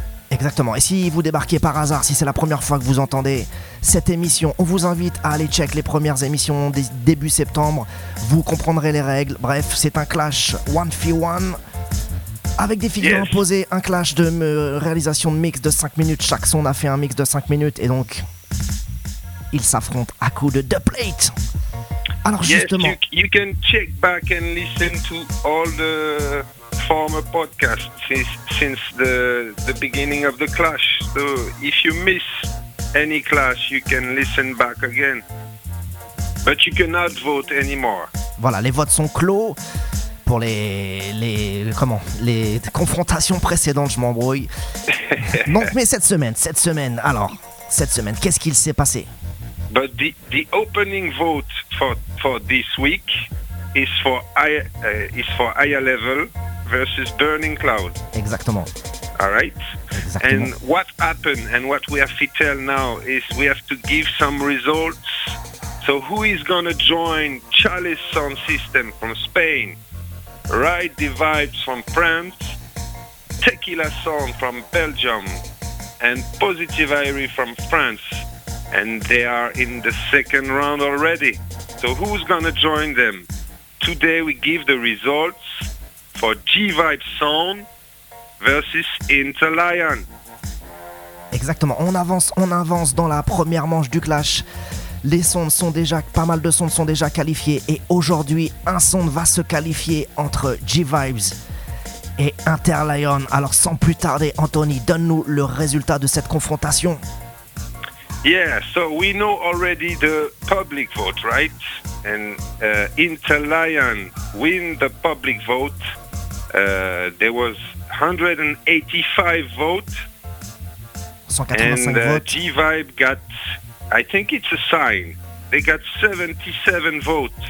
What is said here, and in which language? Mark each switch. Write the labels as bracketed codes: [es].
[fr] Exactement. Et si vous débarquez par hasard, si c'est la première fois que vous entendez cette émission, on vous invite à aller check les premières émissions des début septembre. Vous comprendrez les règles. Bref, c'est un clash 1v1 avec des figures imposées. Un clash de réalisation de mix de 5 minutes. Chaque son a fait un mix de 5 minutes. Et donc, ils s'affrontent à coups de duplate. Alors justement... [en] Yes, you can check back and listen to all the... former podcast since the beginning of the clash. So if you miss any clash, you can listen back again. But you cannot vote anymore. [fr] Voilà, les votes sont clos pour les confrontations précédentes. Je m'embrouille. Donc, mais cette semaine. Alors, cette semaine, qu'est-ce qu'il s'est passé? [en] But the opening vote for this week is for higher level. Versus Burning Cloud. [fr] Exactement. [en] All right. [fr] Exactement. [en] And what happened and what we have to tell now is we have to give some results. So who is going to join Chalice Sound System from Spain, Ride the Vibes from France, Tequila Song from Belgium, and Positive Airy from France? And they are in the second round already. So who's going to join them? Today we give the results. For G-Vibe Sound versus Interlion. [fr] Exactement, on avance dans la première manche du clash. Les sondes sont déjà, pas mal de sondes sont déjà qualifiés. Et aujourd'hui, un sonde va se qualifier entre G-Vibes et Interlion. Alors sans plus tarder, Anthony, donne-nous le résultat de cette confrontation. [en] Yeah, so we know already the public vote, right? And Interlion win the public vote. There was 185 votes. 185 votes. G-Vibe got, I think it's a sign, they got 77 votes.